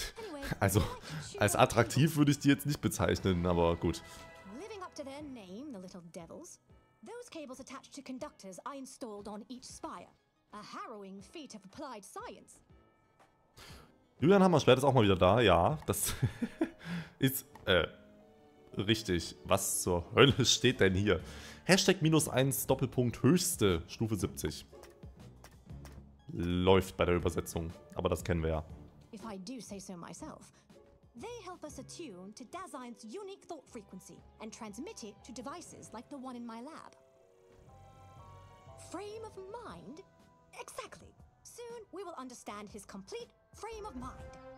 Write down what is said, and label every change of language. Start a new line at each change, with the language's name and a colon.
German: Anyway, also, als attraktiv würde ich die jetzt nicht bezeichnen, aber gut.
English: Living up to their name, the little devils. Those cables attached to conductors I installed on each spire. A harrowing feat of applied science.
German: Julian Hammerschwert ist auch mal wieder da, ja. Das ist, richtig. Was zur Hölle steht denn hier? Hashtag minus 1 Doppelpunkt höchste Stufe 70. Läuft bei der Übersetzung, aber das kennen wir ja.
English: If I do say so myself, they help us attune to Dasein's unique thought frequency and transmit it to devices like the one in my lab. Frame of mind? Exactly. Soon we will understand his complete frame of mind.